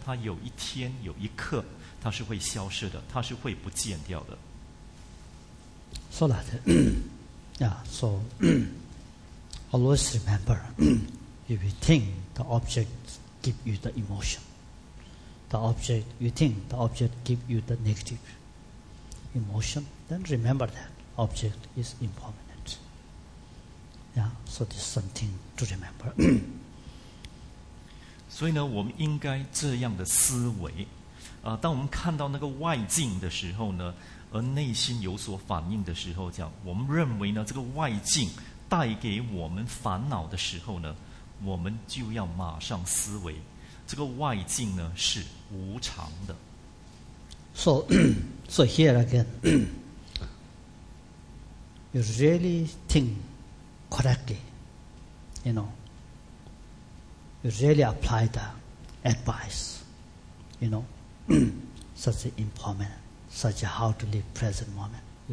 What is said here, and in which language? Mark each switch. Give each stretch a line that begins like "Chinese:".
Chinese: 它有一天有一刻，它是会消失的，它是会不见掉的。
English: So that, yeah. So always remember, if you think the object give you the emotion, the object you think the object give you the negative emotion, then remember that object is impermanent. Yeah, so this is something to remember.
Chinese: 所以呢，我们应该这样的思维，当我们看到那个外境的时候呢，而内心有所反应的时候，讲我们认为呢，这个外境带给我们烦恼的时候呢，我们就要马上思维，这个外境呢是无常的。
English: So here again, you really think.Correctly, you know, really apply the advice, you know, such an impermanent, such a how to live present moment.